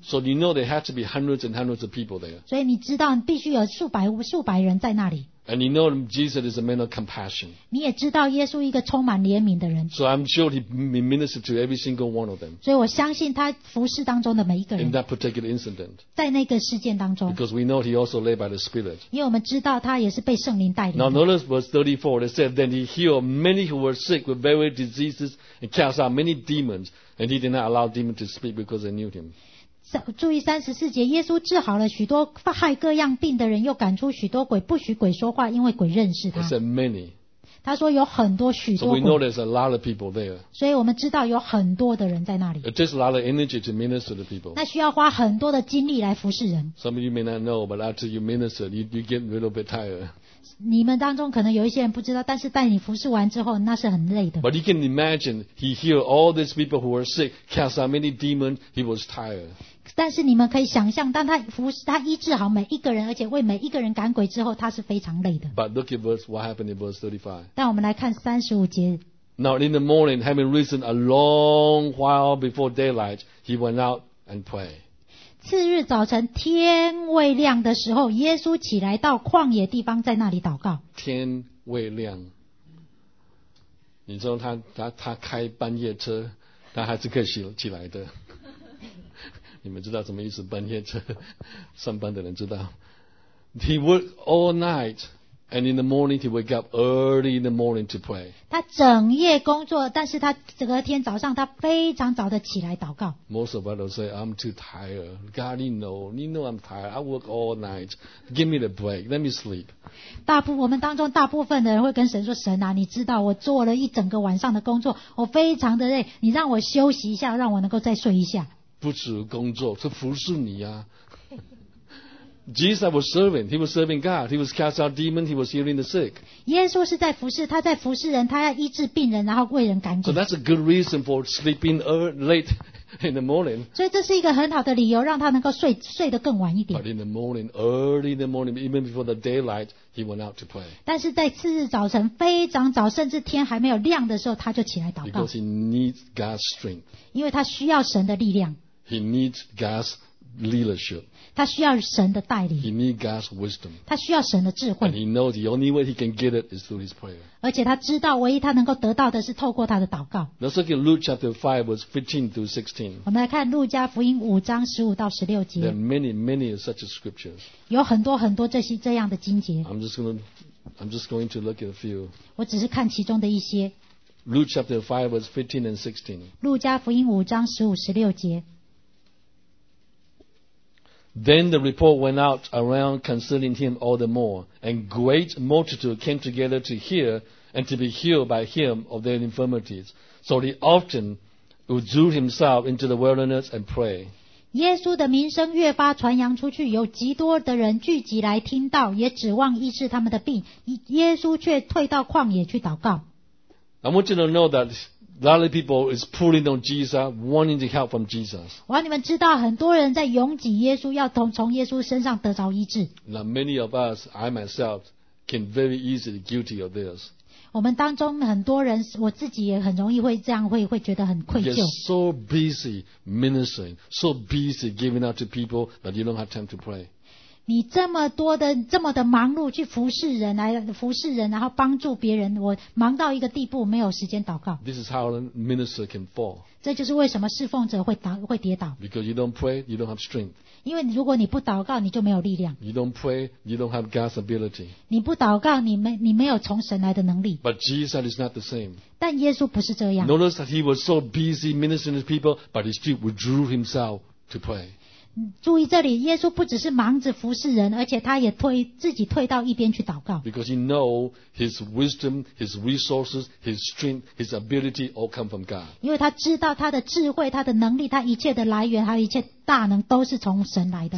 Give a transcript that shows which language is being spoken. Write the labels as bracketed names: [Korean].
[English] So you know there had to be hundreds and hundreds of people there. [Chinese] 所以你知道必须有数百人在那里。 [English] And you know Jesus is a man of compassion. [Chinese] 你也知道耶稣一个充满怜悯的人。 [English] So I'm sure he ministered to every single one of them. [Chinese] 所以我相信他服侍当中的每一个人。 [English] In that particular incident. [Chinese] 在那个事件当中。 [English] Because we know he also led by the Spirit. [Chinese] 因为我们知道他也是被圣灵带领。 [English] Now notice verse 34. It said, then he healed many who were sick with various diseases and cast out many demons, and he did not allow demons to speak because they knew him. [Chinese] 注意三十四节，耶稣治好了许多害各样病的人，又赶出许多鬼，不许鬼说话，因为鬼认识他。 [English] He said many. [Chinese] 他说有很多许多鬼。 [English] So we know there's a lot of people there. [Chinese] 所以我们知道有很多的人在那里。 [English] It takes a lot of energy to minister to people. [Chinese] 那需要花很多的精力来服侍人。 [English] Some of you may not know, but after you minister, you get a little bit tired. [Chinese] 你们当中可能有一些人不知道，但是带你服侍完之后，那是很累的。 [English] But you can imagine, he healed all these people who were sick, cast out many demons. He was tired. [Chinese] 但是你们可以想象，当他服侍，他医治好每一个人，而且为每一个人赶鬼之后，他是非常累的。 [English] But look at verse, what happened in verse 35. [Chinese] 但我们来看三十五节。 [English] Now in the morning, having risen a long while before daylight, he went out and prayed. [Chinese] 次日早晨天未亮的时候，耶稣起来到旷野地方，在那里祷告。天未亮，你知道他开半夜车，他还是可以起来的。你们知道什么意思？半夜车，上班的人知道。 [English] He worked all night, and in the morning he wake up early in the morning to pray. [Chinese] 他整夜工作，但是他整个天早上他非常早的起来祷告。 [English] Most of us say, I'm too tired. God, you know I'm tired. I work all night. Give me the break. Let me sleep. [Chinese] 我们当中大部分的人会跟神说，神啊，你知道我做了一整个晚上的工作，我非常的累，你让我休息一下，让我能够再睡一下。不止工作，是服侍你啊。 [English] Jesus was serving. He was serving God. He was cast out demons. He was healing the sick. [Chinese] 耶稣是在服侍，他在服侍人，他要医治病人，然后为人赶鬼。 [English] So that's a good reason for sleeping late in the morning. [Chinese] 所以这是一个很好的理由，让他能够睡得更晚一点。 [English] But in the morning, early in the morning, even before the daylight, he went out to pray. [Chinese] 但是在次日早晨非常早，甚至天还没有亮的时候，他就起来祷告。 [English] Because he needs God's strength. [Chinese] 因为他需要神的力量。 [English] He needs God's leadership. [Chinese] 他需要神的带领。 [English] He needs God's wisdom. [Chinese] 他需要神的智慧。 [English] And he knows the only way he can get it is through his prayer. [Chinese] 而且他知道唯一他能够得到的是透过他的祷告。 [English] Let's look at Luke chapter 5 verse 15 through 16. [Chinese] 我们来看路加福音五章十五到十六节。 [English] There are many, many such scriptures. [Chinese] 有很多很多这样的经节。 [English] I'm just going to look at a few. [Chinese] 我只是看其中的一些。 [English] Luke chapter 5 verse 15 and 16. [Chinese] 路加福音五章十五十六节。 [English] Then the report went out around concerning him all the more, and great multitude came together to hear and to be healed by him of their infirmities. So he often withdrew himself into the wilderness and prayed. [Chinese] 耶稣的名声越发传扬出去，有极多的人聚集来听到，也指望医治他们的病。耶稣却退到旷野去祷告。 [English] I want you to know that. A lot of people is pulling on Jesus, wanting the help from Jesus. [Chinese] 我要你们知道，很多人在拥挤耶稣，要从耶稣身上得着医治。 [English] Now many of us, I myself, can very easily guilty of this. [Chinese] 我们当中很多人，我自己也很容易会这样，会觉得很愧疚。 [English] You're so busy ministering, so busy giving out to people that you don't have time to pray. [Chinese] 你这么多的这么的忙碌去服侍人，来服侍人，然后帮助别人，我忙到一个地步，没有时间祷告。 [English] This is how a minister can fall. [Chinese] 这就是为什么侍奉者会跌倒。 [English] Because you don't pray, you don't have strength. [Chinese] 因为如果你不祷告，你就没有力量。 [English] You don't pray, you don't have God's ability. [Chinese] 你不祷告，你没有从神来的能力。 [English] But Jesus is not the same. [Chinese] 但耶稣不是这样。 [English] Notice that he was so busy ministering to people, but he still withdrew himself to pray. [Chinese] 注意这里，耶稣不只是忙着服侍人，而且他也自己退到一边去祷告。 [English] Because he knows his wisdom, his resources, his strength, his ability all come from God. [Chinese] 因为他知道他的智慧、他的能力、他一切的来源，还有一切。大能都是从神来的。